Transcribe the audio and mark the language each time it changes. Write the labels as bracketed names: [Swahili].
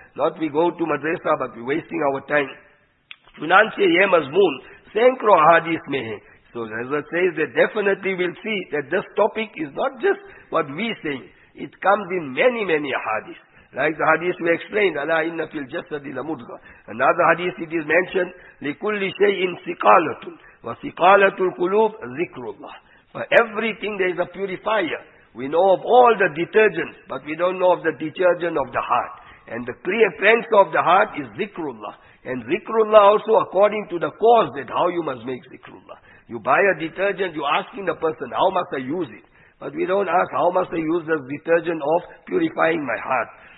[English] Not we go to madrasa, but we're wasting our time. [Urdu] Chunanche ye mazmoon, sankro ahadith mein hai. [English] So Hazrat says that definitely we'll see that this topic is not just what we say. It comes in many, many ahadith. Like the hadith we explained, [Arabic] Allah inna fil jasadi la mudgha. [English] Another hadith it is mentioned, [Arabic] لِكُلِّ شَيْءٍ سِقَالَةٌ وَسِقَالَةُ الْقُلُوبِ ذِكْرُ اللَّهِ. [English] For everything there is a purifier. We know of all the detergents, but we don't know of the detergent of the heart. And the clear cleanser of the heart is zikrullah. And zikrullah also according to the cause, that how you must make zikrullah. You buy a detergent, you're asking the person, how must I use it? But we don't ask, how must I use the detergent of purifying my heart?